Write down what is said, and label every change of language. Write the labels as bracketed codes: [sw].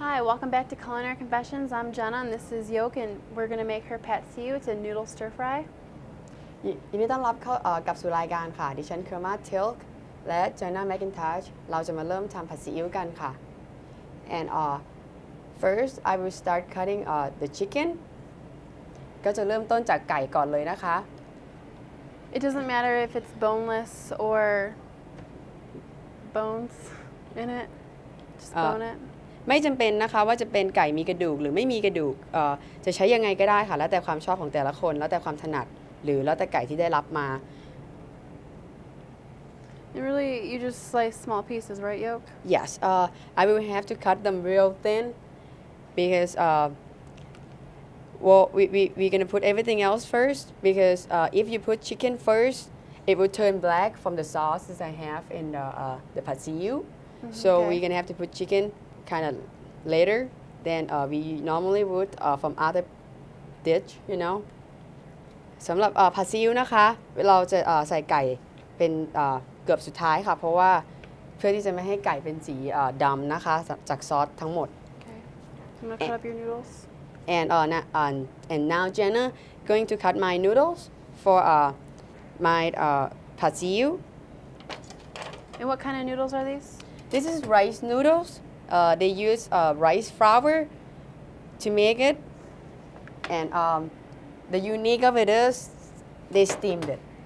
[en] Welcome back to Culinary Confessions. I'm Jenna, and this is Yoke, and we're going to make her pat see you. It's a noodle stir fry. [th] ยินดีต้อนรับเข้ากับสู่รายการค่ะดิฉันคือ Kruamat Thielk และ Jenna McIntosh. เราจะมาเริ่มทำผัดซีอิ๊วกันค่ะ [en] And first, I will start cutting the chicken. [th] ก็จะเริ่มต้นจากไก่ก่อนเลยนะคะ [en] It doesn't matter if it's boneless or bones in it. Just bone it. [th] ไม่จำเป็นนะคะว่าจะเป็นไก่มีกระดูกหรือไม่มีกระดูกจะใช้ยังไงก็ได้ค่ะแล้วแต่ความชอบของแต่ละคนแล้วแต่ความถนัดหรือแล้วแต่ไก่ที่ได้รับมา [en] And really you just slice small pieces right yolk yes I will have to cut them real thin because we're gonna put everything else first because if you put chicken first it will turn black from the sauces I have in the pad see you so okay. we're gonna have to put chickenKind of later than we normally would from other dish, you know. [th] สำหรับผัดซีอิ๊วนะคะเราจะใส่ไก่เป็นเกือบสุดท้ายค่ะเพราะว่าเพื่อที่จะไม่ให้ไก่เป็นสีดำนะคะจากซอสทั้งหมด [en] Okay. I'm gonna cut up your noodles. And now Jenna going to cut my noodles for my ผัดซีอิ๊ว And what kind of noodles are these? This is rice noodles. They use rice flour to make it, and the unique of it is they steamed it.